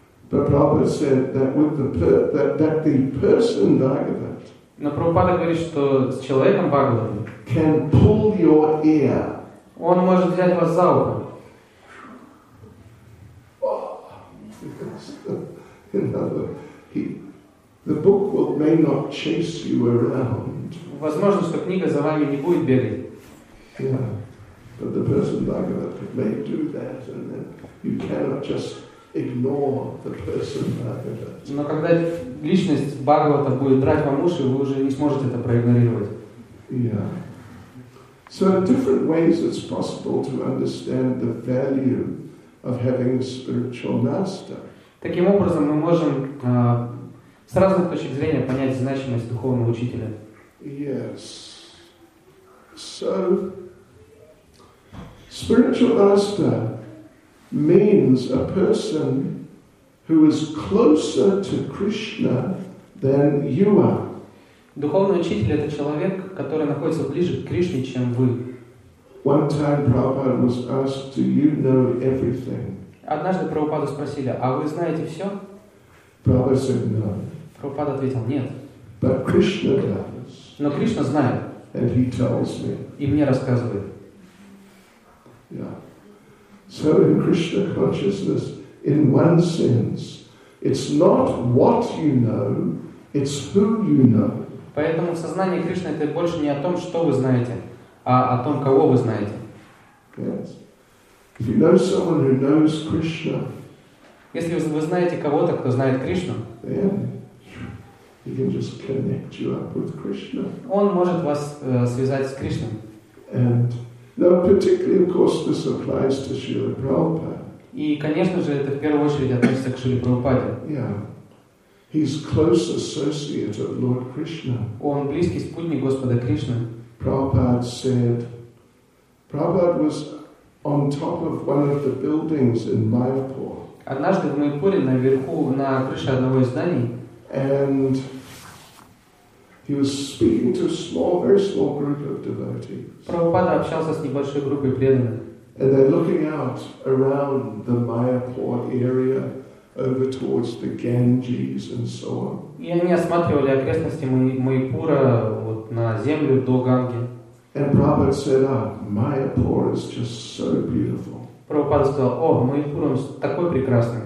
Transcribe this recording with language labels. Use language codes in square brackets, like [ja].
[en] But Prabhupada said that with that the person Bhagavat. [ru] Но Прабхупада говорит, что с человеком Бхагаватом. [en] Can pull your ear. [ru] Он может взять вас за ухо. [en] The book will may not chase you around. [ru] Возможно, что книга за вами не будет бегать. [en] Yeah, but the person Bhagavat may do that, and then you cannot just ignore the person Bhagavat. [ru] Но когда личность Бхагавата будет драть вам уши, вы уже не сможете это проигнорировать. [en] Yeah. So in different ways it's possible to understand the value of having a spiritual master. [ru] Таким образом, мы можем с разных точек зрения понять значимость духовного учителя. [en] Yes. So, spiritual master means a person who is closer to Krishna than you are. [ru] Духовный учитель — это человек, который находится ближе к Кришне, чем вы. [en] One time Prabhupada was asked, "Do you know everything?" [ru] Однажды Прабхупаду спросили, а вы знаете все? [en] Prabhupada said, no. [ru] Прабхупада ответил, нет. [en] But Krishna does. [ru] Но Кришна знает. [en] And he tells me. [ru] И мне рассказывает. [en] Yeah. So in Krishna consciousness, in one sense, it's not what you know, it's who you know. [ru] Поэтому в сознании Кришны это больше не о том, что вы знаете, а о том, кого вы знаете. [en] Yes. If you know someone who knows Krishna, [ru] если вы знаете кого-то, кто знает Кришну, [en] then he can just connect you up with Krishna. [ru] Он может вас связать с Кришной. [en] And now, particularly, of course, this applies to Srila Prabhupada. [ru] И, конечно же, это в первую очередь относится к Шриле Прабхупаде. [en] Yeah, he's close associate of Lord Krishna. [ru] Он близкий спутник Господа Кришны. [en] Prabhupada was on top of one of the buildings in Mayapur. [ru] Однажды в Майпуре наверху на крыше одного из зданий. [en] And he was speaking to a small, very small group of devotees. [ru] Прабхупада общался с небольшой группой преданных. [en] And they're looking out around the Mayapur area, over towards the Ganges and so on. [ru] И они осматривали окрестности Майпура вот на землю до Ганги. [en] And Prabhupada said, Mayapur is just so beautiful. [ru] Прабхупада сказал, о, Майпур такой прекрасный.